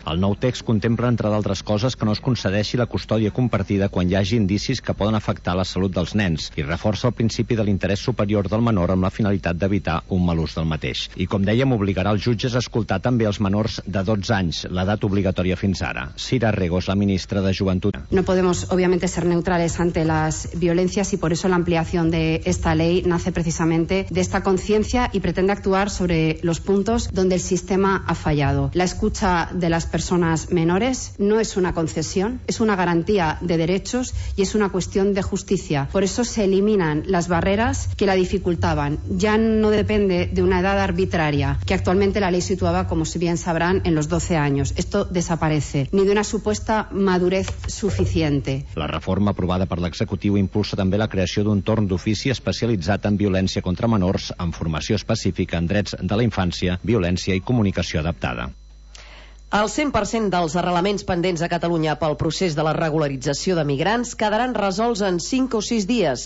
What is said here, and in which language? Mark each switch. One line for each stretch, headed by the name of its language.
Catalan: El nou text contempla, entre d'altres coses, que no es concedeixi la custòdia compartida quan hi hagi indicis que poden afectar la salut dels nens i reforça el principi de l'interès superior del menor amb la finalitat d'evitar un mal ús del mateix. I, com dèiem, obligarà els jutges a escoltar també els menors de 12 anys, l'edat obligatòria fins ara. Cira Regos, la ministra de Joventut.
Spanish: No podemos, obviamente, ser neutrales ante las violencias y por eso la ampliación de esta ley nace precisamente de esta conciencia y pretende actuar sobre los puntos donde el sistema ha fallado. La escucha de las personas menores no es una concesión, es una garantía de derechos y es una cuestión de justicia. Por eso se eliminan las barreras que la dificultaban. Ya no depende de una edad arbitraria, que actualmente la ley situaba, como si bien sabrán, en los 12 años. Esto desaparece, ni de una supuesta madurez suficiente.
Catalan: La reforma aprovada per l'executiu impulsa també la creació d'un torn d'ofici especialitzat en violència contra menors, amb formació específica en drets de la infància, violència i comunicació adaptada. El 100% dels arrelaments pendents a Catalunya pel procés de la regularització de migrants quedaran resolts en 5 o 6 dies.